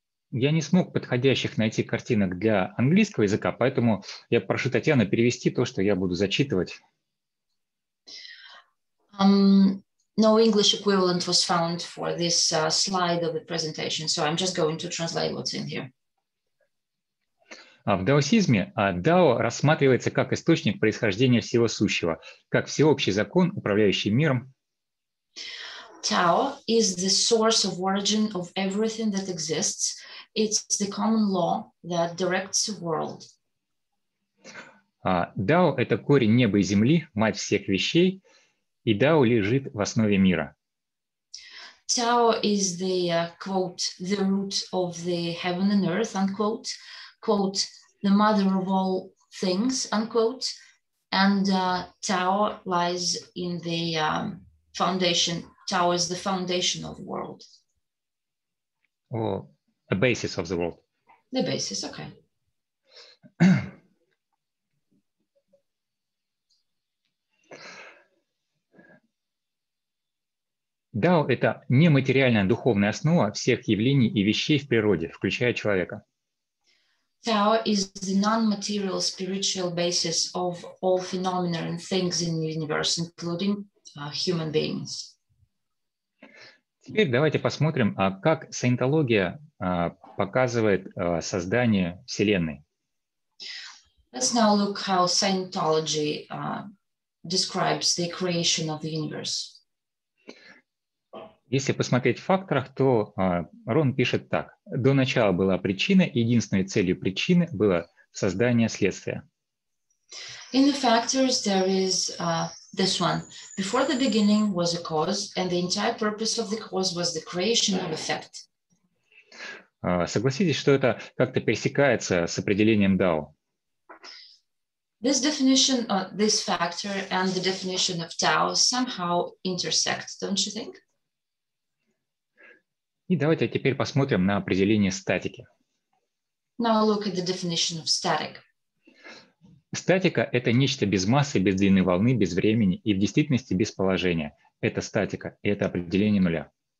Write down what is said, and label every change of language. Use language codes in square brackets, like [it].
[ru] Я не смог подходящих найти картинок для английского языка, поэтому я прошу Татьяну перевести то, что я буду зачитывать. [en] No English equivalent was found for this slide of the presentation, so I'm just going to translate what's in here. [ru] В даосизме дао рассматривается как источник происхождения всего сущего, как всеобщий закон, управляющий миром. [en] Tao is the source of origin of everything that exists. It's the common law that directs the world. [ru] Дао – это корень неба и земли, мать всех вещей, и Дао лежит в основе мира. [en] Tao is the, quote, the root of the heaven and earth, unquote, quote, the mother of all things, unquote, and Tao lies in the foundation, Tao is the foundation of the world. Oh. A basis of the world. The basis, okay. [ru] Дао – это нематериальная духовная основа всех явлений и вещей в природе, включая человека. [en] Tao is the non-material spiritual basis of all phenomena and things in the universe, including human beings. [ru] Теперь давайте посмотрим, как саентология показывает создание Вселенной. [en] Let's now look how Scientology describes the creation of the universe. [ru] Если посмотреть в факторах, то Рон пишет так. До начала была причина, единственной целью причины было создание следствия. [en] In the factors there is this one. Before the beginning was a cause, and the entire purpose of the cause was the creation of effect. [ru] Согласитесь, что это как-то пересекается с определением Дао. [en] This definition, this factor and the definition of Tao somehow intersect, don't you think? [ru] И давайте теперь посмотрим на определение статики. [en] Now look at the definition of static. [ru] Статика – это нечто без массы, без длины волны, без времени и в действительности без положения. Это статика, и это определение нуля.